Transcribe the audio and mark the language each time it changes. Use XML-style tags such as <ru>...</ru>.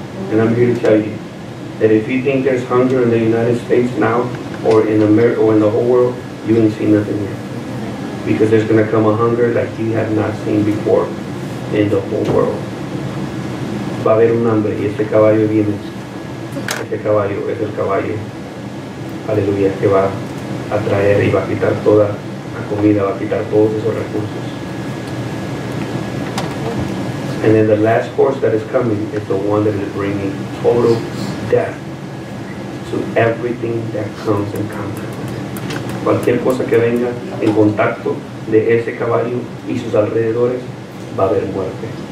<en>And I'm here to tell you that if you think there's hunger in the United States now or in America or in the whole world, you ain't seen nothing yet. Because there's going to come a hunger like you have not seen before in the whole world.</en> <es>Va a haber un hambre y este caballo viene. Ese caballo es el caballo, aleluya, que va a traer y va a quitar toda la comida, va a quitar todos esos recursos.</es> <en>And then the last horse that is coming is the one that is bringing total death to everything that comes in contact.</en> <es>Cualquier cosa que venga en contacto de ese caballo y sus alrededores, va a haber muerte.</es>